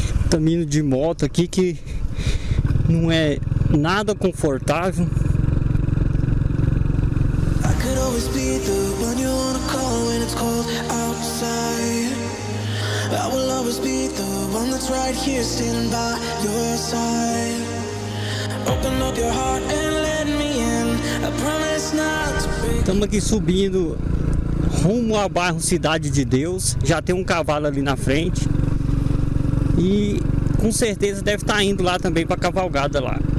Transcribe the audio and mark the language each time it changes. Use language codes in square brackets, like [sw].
[pt] Tô indo de moto aqui que não é nada confortável. [en] I could always be the one you wanna call when it's cold outside. I will always be the one that's right here standing by your side. Open up your heart and let me in. I promise not to break. [pt] Estamos aqui subindo rumo ao bairro Cidade de Deus. Já tem um cavalo ali na frente. E com certeza deve estar indo lá também para a cavalgada lá.